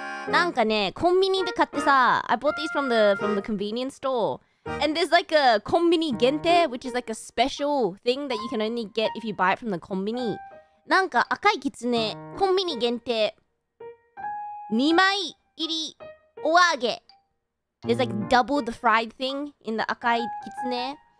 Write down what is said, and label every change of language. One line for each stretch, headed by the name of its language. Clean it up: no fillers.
Japanese: なんかね、コンビニで買ってさ,
English: I bought these from the convenience store. And there's like a konbini gente, which is like a special thing that you can only get if you buy it from the konbini.
Japanese: なんか赤いキツネ、コンビニ限定 2枚入りお揚げ.
English: There's like double the fried thing in the Akai Kitsune.